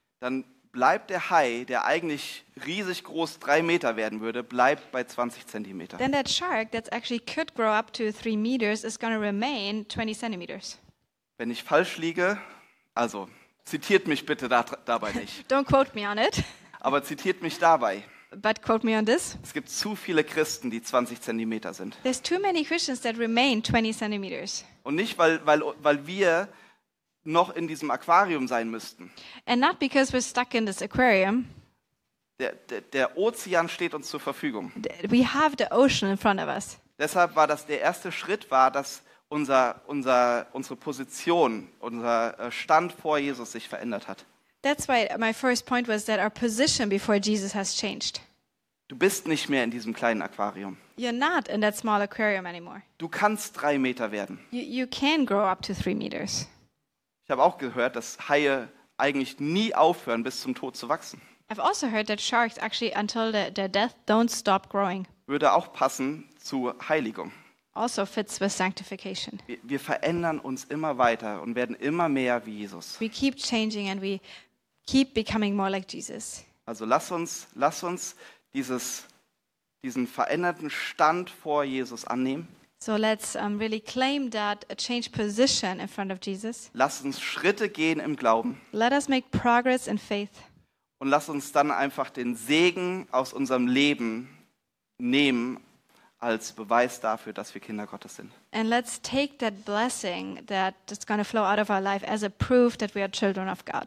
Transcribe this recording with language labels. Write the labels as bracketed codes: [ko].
[de] Dann bleibt der Hai, der eigentlich riesig groß 3 Meter werden würde, bleibt bei 20 Zentimeter. [en] Then that shark that actually could grow up to 3 meters is going to remain 20 centimeters. [de] Wenn ich falsch liege, also zitiert mich bitte dabei nicht. [en] Don't quote me on it. [de] Aber zitiert mich dabei. [en] But quote me on this. [de] Es gibt zu viele Christen, die 20 Zentimeter sind. [en] There's too many Christians that remain 20 centimeters. [de] Und nicht, weil wir noch in diesem Aquarium sein müssten. [en] And not because we're stuck in this aquarium. [de] Der Ozean steht uns zur Verfügung. [en] We have the ocean in front of us. [de] Deshalb war das der erste Schritt, war, dass unsere Position, unser Stand vor Jesus sich verändert hat. [en] That's why my first point was that our position before Jesus has changed. [de] Du bist nicht mehr in diesem kleinen Aquarium. [en] You're not in that small aquarium anymore. [de] Du kannst 3 Meter werden. [en] You can grow up to 3 meters. [de] Ich habe auch gehört, dass Haie eigentlich nie aufhören, bis zum Tod zu wachsen. [en] I've also heard that sharks actually until their death don't stop growing. [de] Würde auch passen zu Heiligung. [en] Also fits with sanctification. [de] Wir verändern uns immer weiter und werden immer mehr wie Jesus. [en] We keep changing and we keep becoming more like Jesus. [de] Also lass uns diesen veränderten Stand vor Jesus annehmen. [en] So let's really claim that a changed position in front of Jesus. [de] Lass uns Schritte gehen im Glauben. [en] Let us make progress in faith. [de] Und lass uns dann einfach den Segen aus unserem Leben nehmen als Beweis dafür, dass wir Kinder Gottes sind. [en] And let's take that blessing that is going to flow out of our life as a proof that we are children of God.